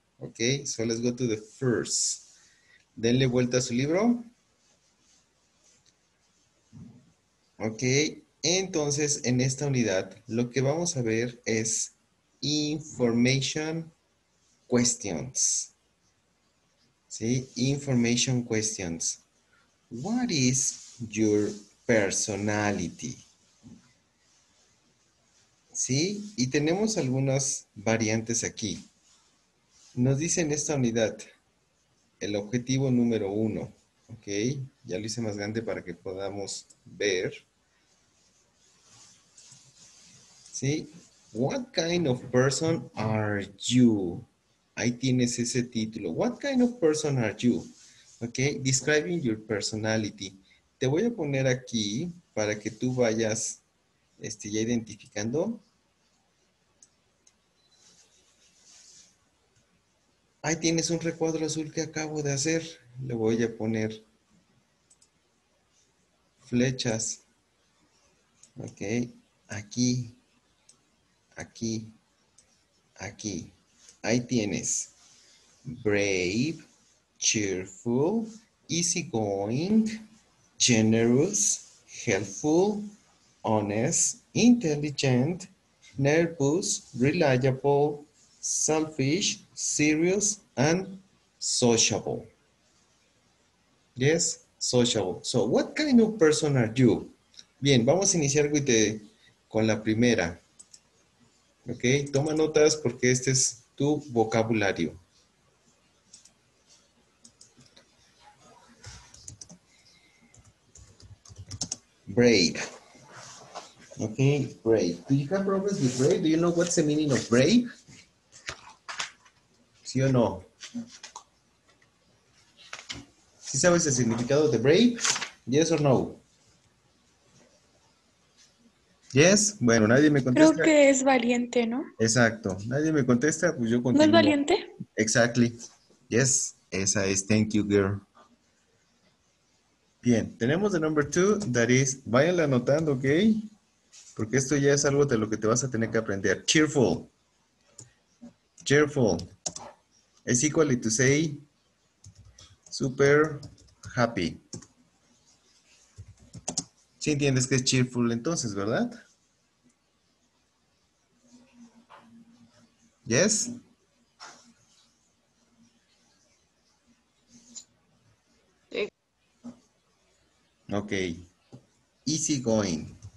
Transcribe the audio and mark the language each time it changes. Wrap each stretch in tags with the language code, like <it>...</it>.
<en>Ok, so let's go to the first.</en> <es>Denle vuelta a su libro. Ok, entonces en esta unidad lo que vamos a ver es</es> <en>information questions.</en> <es>¿Sí?</es> <en>Information questions. What is your personality?</en> <es>¿Sí? Y tenemos algunas variantes aquí. Nos dice en esta unidad el objetivo número uno. ¿Ok? Ya lo hice más grande para que podamos ver. ¿Sí?</es> <en>What kind of person are you?</en> <es>Ahí tienes ese título.</es> <en>What kind of person are you? Okay, describing your personality.</en> <es>Te voy a poner aquí para que tú vayas ya identificando. Ahí tienes un recuadro azul que acabo de hacer. Le voy a poner flechas. Ok, aquí, aquí, aquí. Ahí tienes</es> <en>brave, cheerful, easygoing, generous, helpful, honest, intelligent, nervous, reliable, selfish, serious, and sociable. Yes, sociable. So, what kind of person are you?</en> <es>Bien, vamos a iniciar con la primera. Ok, toma notas porque este es tu vocabulario.</es> <en>Brave. Okay, brave. Do you have problems with brave? Do you know what's the meaning of brave?</en> <es>¿Sí o no? ¿Sí sabes el significado de brave?</es> <en>Yes or no? Yes?</en> <es>Bueno, nadie me contesta. Creo que es valiente, ¿no? Exacto. Nadie me contesta, pues yo continúo. ¿No es valiente?</es> <en>Exactly. Yes,</en> <es>esa es.</es> <en>Thank you, girl.</en> <es>Bien, tenemos el</es> <en>number two, that is,</en> <es>váyanla anotando, ¿ok? Porque esto ya es algo de lo que te vas a tener que aprender.</es> <en>Cheerful. Cheerful.</en> <es>Es</es> <en>equal to say, super happy.</en> <es>Sí entiendes que es cheerful entonces, ¿verdad?</es> <en>Yes. Ok. Easy going.</en>